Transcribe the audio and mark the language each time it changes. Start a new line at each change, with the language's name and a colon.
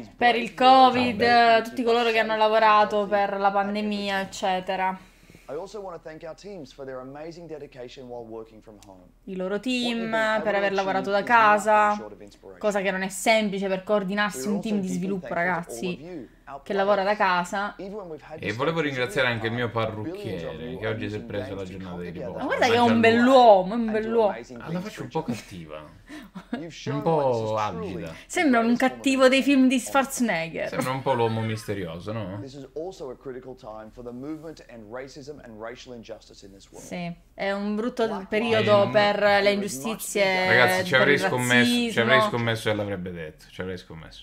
Italian: per il Covid, no, tutti coloro che hanno lavorato per la pandemia, eccetera.
English: I also want to thank our teams for their amazing dedication while working from home.
Italian: I loro team per aver lavorato da casa, cosa che non è semplice per coordinarsi un team di sviluppo, ragazzi, che lavora da casa. E volevo ringraziare anche il mio parrucchiere, che oggi si è preso la giornata di riposo. Ma guarda che è un bell'uomo, è un bell'uomo. Ha la faccia un po' cattiva, un po' agida. Sembra un cattivo dei film di Schwarzenegger. Sembra un po' l'uomo misterioso, no?
English: This is also a critical time for the movement and racism and racial injustice in this world.
Italian: Sì, è un brutto periodo per le ingiustizie. Ragazzi, ci avrei scommesso, ci avrei scommesso e l'avrebbe detto, ci avrei scommesso.